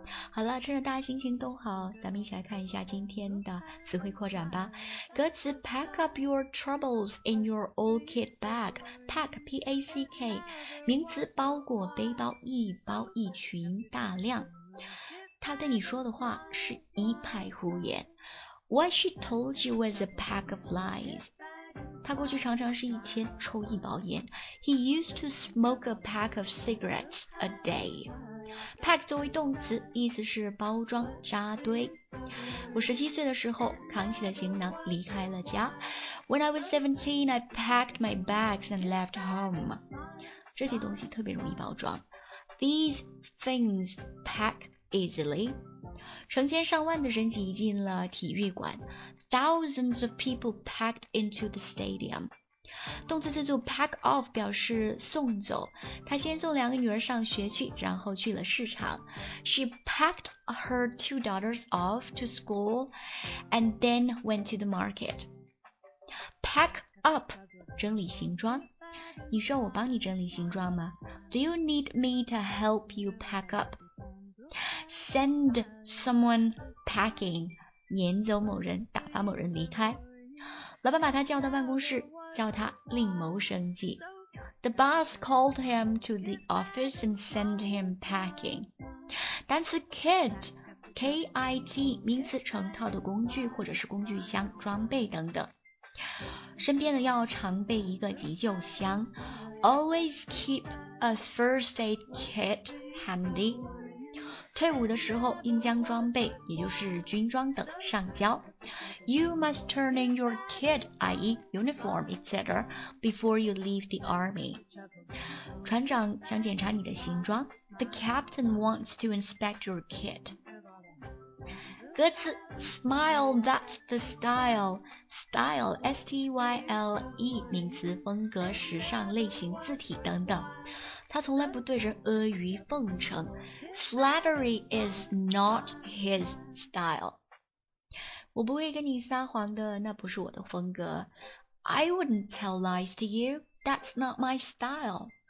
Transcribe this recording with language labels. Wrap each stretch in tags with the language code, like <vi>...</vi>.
<zh>好了，趁着大家心情都好，咱们一起来看一下今天的词汇扩展吧。歌词</zh> <en>Pack up your troubles in your old kit bag.</en> <zh>Pack, P-A-C-K, 名词包裹背包一包一群大量。他对你说的话是一派胡言。</zh> <en>What she told you was a pack of lies.</en> <zh>他过去常常是一天抽一包烟。</zh> <en>He used to smoke a pack of cigarettes a day.</en> <zh>Pack 作为动词，意思是包装、扎堆。我十七岁的时候扛起了行囊离开了家。</zh> <en>When I was 17, I packed my bags and left home.</en> <zh>这些东西特别容易包装。</zh> <en>These things pack. Easily.</en> <zh>成千上万的人挤进了体育馆。</zh> <en>Thousands of people packed into the stadium.</en> <zh>动词词组</zh> <en>pack off</en> <zh>表示送走。她先送两个女儿上学去，然后去了市场。</zh> <en>She packed her two daughters off to school and then went to the market. Pack up,</en> <zh>整理行装。你需要我帮你整理行装吗？</zh> <en>Do you need me to help you pack up? Send someone packing,</en> <zh>撵走某人，打发某人离开。老板把他叫到办公室，叫他另谋生计。</zh> <en>The boss called him to the office and sent him packing.</en> <zh>单词</zh> <en>kid</en> <zh>KIT 名词，成套的工具或者是工具箱、装备等等。身边呢要常备一个急救箱。</zh> <en>Always keep a first aid kit handy。</en> <zh>退伍的时候应将装备，也就是军装等上交。</zh> <en>You must turn in your kit, i.e. uniform, etc. before you leave the army。</en> <zh>船长想检查你的行装。</zh> <en>The captain wants to inspect your kit。</en> <zh>歌词</zh> <en>Smile, that's the style。Style, S-T-Y-L-E,</en> <zh>名词，风格、时尚、类型、字体等等。他从来不对人阿谀奉承。</zh> <en>Flattery is not his style。</en> <zh>我不会跟你撒谎的，那不是我的风格。</zh> <en>I wouldn't tell lies to you, that's not my style。</en>